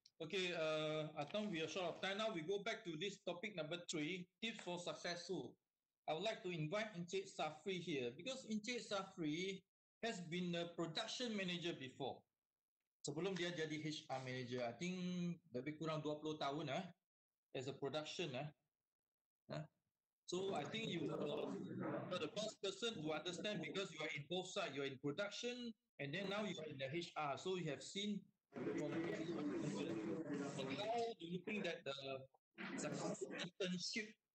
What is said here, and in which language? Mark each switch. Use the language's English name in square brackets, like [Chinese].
[English] Okay, I think we are short of time. Now we go back to this topic number 3, tips for successful. I would like to invite Encik Safri here, because Encik Safri has been a production manager before. [Malay] Sebelum dia jadi HR manager, [English] I think [Malay] lebih kurang 20 tahun lah. [English] As a production, so I think you are the first person to understand, because you are in both sides. You are in production, and then now you are in the HR. So you have seen. So how do you think that the successful internship?